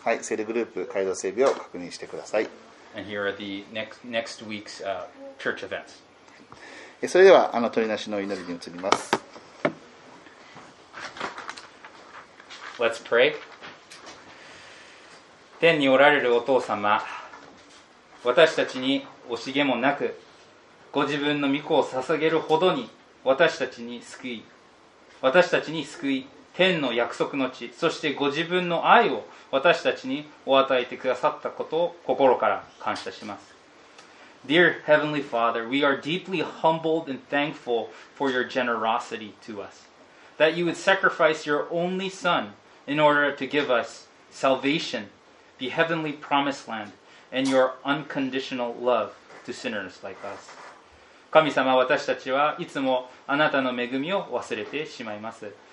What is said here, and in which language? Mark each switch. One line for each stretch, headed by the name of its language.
Japanese: はい、セルグループ会堂整備を確認してください。
English: And here are the next week's church events.
Japanese: それでは取りなしの祈りに移ります。
English: Let's pray.
Japanese: 天におられるお父様、私たちに惜しげもなくご自分の御子を捧げるほどに私たちに救い、天の約束の地、そしてご自分の愛を私たちにお与えてくださったことを心から感謝します。
English: Dear Heavenly Father, we are deeply humbled and thankful for your generosity to us, that you would sacrifice your only Son in order to give us salvation, the heavenly promised land, and your unconditional love to sinners like us.
Japanese: 神様、私たちはいつもあなたの恵みを忘れてしまいます。